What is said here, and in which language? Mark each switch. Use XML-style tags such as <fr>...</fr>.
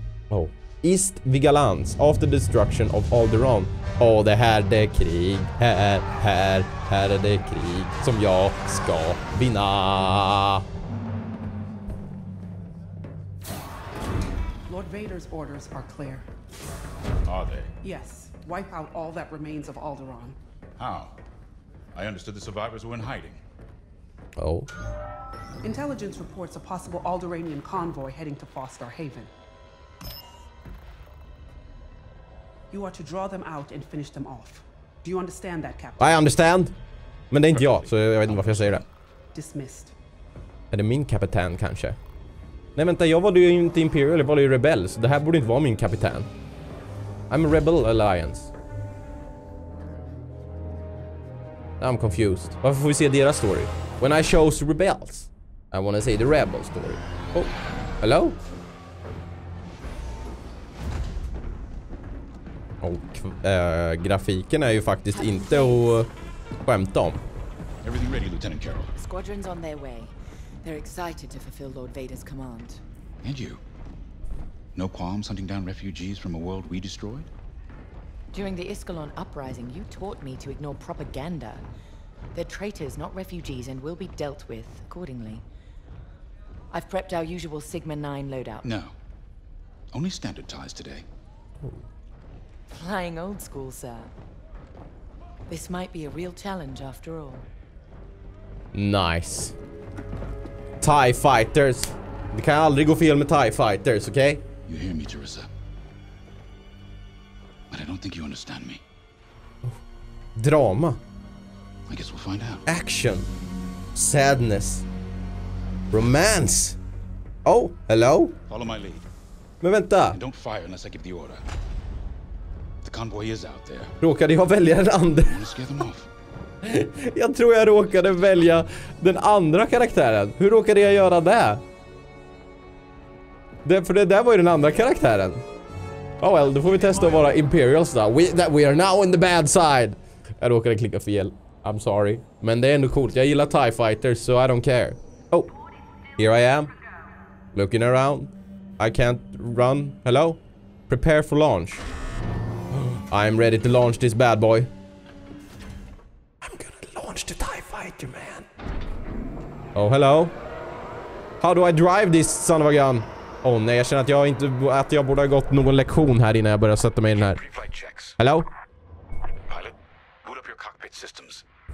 <en>Oh. East Vigalans, after the destruction of Alderaan.</en> <sv>Åh, oh, det här det är krig. Här är det krig som jag ska vinna.</sv> <en>Lord Vader's orders are clear. Are they? Yes. Wipe out all that remains of Alderaan. How? I understood the survivors were in hiding. Oh. Intelligence reports a possible Alderaanian convoy heading to Foster Haven. You are to draw them out and finish them off. Do you understand that, Captain? I understand.</en> <sv>Men det är inte jag, så jag vet inte varför jag säger det.</sv> <en>Dismissed.</en> <sv>Är det min kapitän kanske? Nej, vänta, jag var ju inte Imperial, jag var ju rebell, så det här borde inte vara min kapitän.</sv> <en>I'm a Rebel Alliance. I'm confused.</en> <sv>Varför får vi se deras story?</sv> <en>When I chose rebels, I want to see the rebel story. Oh, hello?</en> <sv>Och grafiken är ju faktiskt inte att skämta om.</sv> <en>Everything ready, Lieutenant Carroll. Squadrons on their way. They're excited to fulfill Lord Vader's command. And you? No qualms hunting down refugees from a world we destroyed? During the Iskallon uprising, you taught me to ignore propaganda. They're traitors, not refugees, and will be dealt with accordingly. I've prepped our usual Sigma 9 loadout. No. Only standard ties today. Flying old school, sir. This might be a real challenge after all. Nice. TIE fighters.</en> <sv>Det kan aldrig gå fel med TIE fighters, okej?</sv> <en>You hear me, Teresa. But I don't think you understand me. Drama. I guess we'll find out. Action. Sadness. Romance. Oh, hello? Follow my lead.</en> <sv>Men vänta.</sv> <en>And don't fire unless I give the order. The convoy is out there.</en> <sv>Råkade jag välja den andra? Jag tror jag råkade välja den andra karaktären. Hur råkade jag göra det? För det där var ju den andra karaktären.</sv> <en>Oh well,</en> <sv>då får vi testa att vara Imperials då.</sv> <en>We are now in the bad side.</en> <sv>Jag råkade klicka fel.</sv> <en>I'm sorry.</en> <sv>Men det är ändå coolt. Jag gillar TIE fighters,</sv> <en>so I don't care. Oh, here I am. Looking around. I can't run. Hello? Prepare for launch. I'm ready to launch this bad boy. I'm gonna launch the TIE fighter, man. Oh, hello. How do I drive this son of a gun?</en> <sv>Oh, nej, jag känner att jag borde ha gått någon lektion här innan jag börjar sätta mig in här.</sv> <en>Hello? Pilot, boot up your cockpit systems.</en>